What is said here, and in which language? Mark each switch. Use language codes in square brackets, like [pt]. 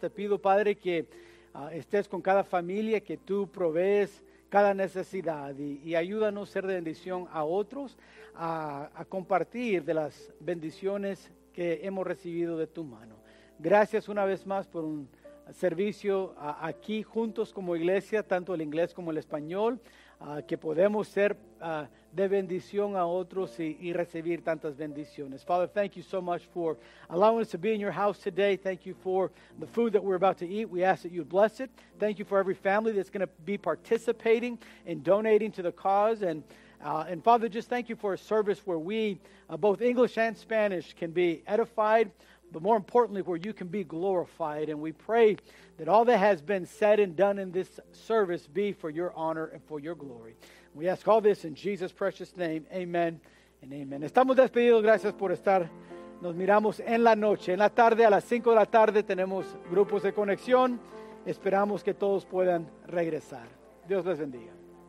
[es] Te pido, Padre, que estés con cada familia, que tú provees cada necesidad y ayúdanos a ser de bendición a otros, a compartir de las bendiciones que hemos recibido de tu mano. Gracias una vez más por un servicio aquí juntos como iglesia, tanto el inglés como el español, que podemos ser de bendición a otros y recibir tantas bendiciones. [en] Father, thank you so much for allowing us to be in your house today. Thank you for the food that we're about to eat. We ask that you bless it. Thank you for every family that's going to be participating and donating to the cause. And Father, just thank you for a service where we, both English and Spanish, can be edified, but more importantly, where you can be glorified. And we pray that all that has been said and done in this service be for your honor and for your glory. We ask all this in Jesus' precious name. [es] Amen and amen. Estamos despedidos. Gracias por estar. Nos miramos en la noche. En la tarde, a las 5 de la tarde, tenemos grupos de conexión. Esperamos que todos puedan regresar. Dios les bendiga.